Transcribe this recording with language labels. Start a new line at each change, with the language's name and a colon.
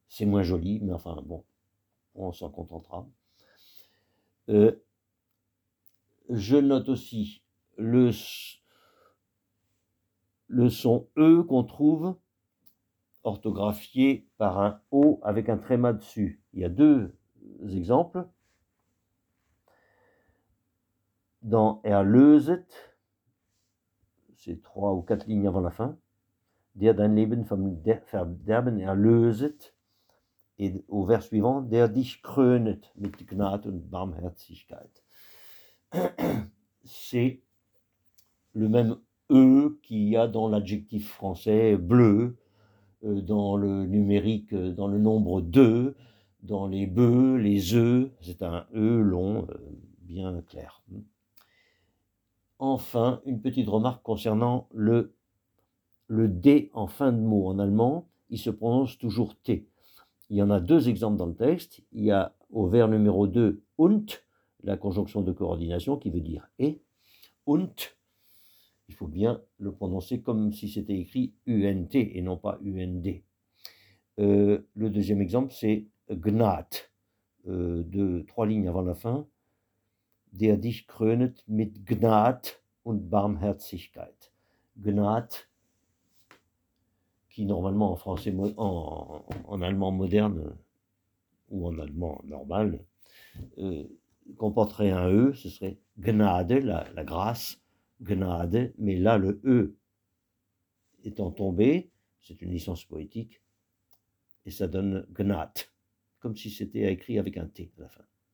French: C'est moins joli, mais enfin bon, on s'en contentera. Je note aussi le son E qu'on trouve orthographié par un O avec un tréma dessus. Il y a deux exemples. Dans Erlöset, c'est trois ou quatre lignes avant la fin.
German: Der dein Leben vom Verderben erlöset.
French: Et au vers suivant,
German: der dich krönet mit Gnade und Barmherzigkeit.
French: C'est le même E qu'il y a dans l'adjectif français bleu, dans le numérique, dans le nombre 2, dans les bœufs, les œufs. C'est un E long, bien clair. Enfin, une petite remarque concernant le D en fin de mot en allemand, il se prononce toujours T. Il y en a deux exemples dans le texte. Il y a au vers numéro 2, und, la conjonction de coordination qui veut dire et. Und, il faut bien le prononcer comme si c'était écrit UNT et non pas UND. Le deuxième exemple, c'est Gnat, deux, trois lignes avant la fin.
German: Der dich krönet mit Gnat und Barmherzigkeit. Gnat.
French: Qui normalement en français, en allemand moderne ou en allemand normal, comporterait un E, ce serait Gnade, la grâce, Gnade, mais là le E étant tombé, c'est une licence poétique, et ça donne Gnat, comme si c'était écrit avec un T à la fin.